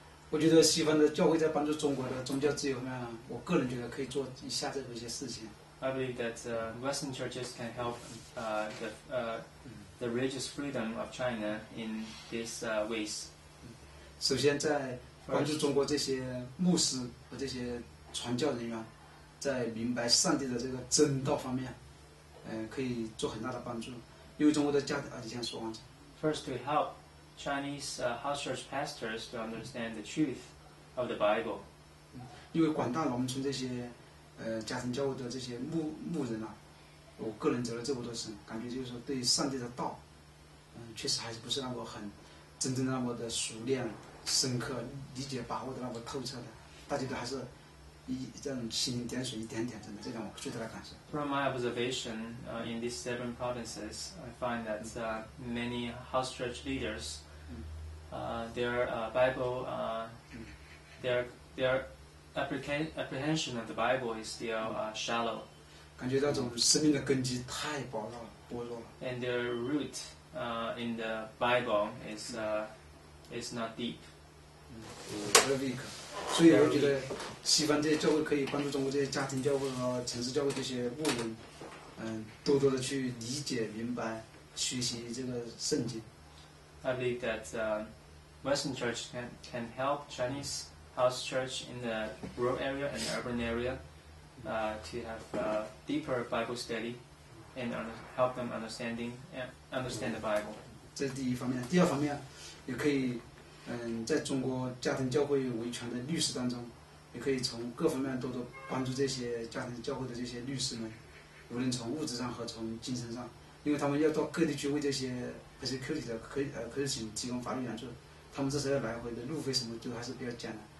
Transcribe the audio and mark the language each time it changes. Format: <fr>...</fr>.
<zh>我觉得西方的教会在帮助中国的宗教自由呢，我个人觉得可以做以下这一些事情。</zh> <en>I believe that Western churches can help the religious freedom of China in these ways.</en> <zh>首先，在帮助中国这些牧师和这些传教人员，在明白上帝的这个真道方面，可以做很大的帮助。因为中国的教条，你先说完。</zh> <en>First, to help Chinese house church pastors to understand the truth of the Bible.</en> <zh>因为广大农村这些。家庭教会的这些牧人啊，我个人走了这么多神，感觉就是说对上帝的道，确实还是不是那么很真正的那么的熟练、深刻、理解、把握的那么透彻的。大家都还是一这种蜻蜓点水一点点，真的，这让我最大的感受。</zh> <en>From my observation, in these seven provinces, I find that many house church leaders, their apprehension of the Bible is still shallow.</en> <zh>感觉到这种生命的根基太薄弱薄弱了。</zh> <en>And their root in the Bible is not deep. Weak.</en> <zh>所以我觉得西方这些教会可以帮助中国这些家庭教会和城市教会这些牧人，多多的去理解明白学习这个圣经。</zh> <en>I believe that Western church can help Chinese house church in the rural area and urban area to have a deeper Bible study and help them understand the Bible.</en> <zh>这是第一方面。第二方面，也可以，在中国家庭教会维权的律师当中，也可以从各方面多多帮助这些家庭教会的这些律师们，无论从物质上和从精神上，因为他们要到各地去为这些 persecuted 的persecuted 提供法律援助，他们这时候来回的路费什么都还是比较艰难。</zh>